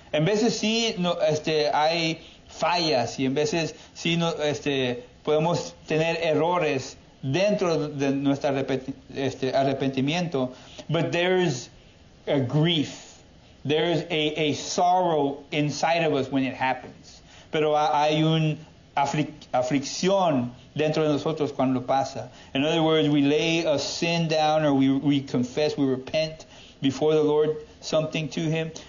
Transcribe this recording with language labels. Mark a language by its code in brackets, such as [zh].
[es] En veces sí, no, hay fallas, y en veces sí, no, podemos tener errores dentro de nuestro arrepentimiento. [en] But there's a grief, there's a sorrow inside of us when it happens. [es] Pero hay una aflicción dentro de nosotros cuando pasa. [en] In other words, we lay a sin down, or we confess, we repent before the Lord something to Him.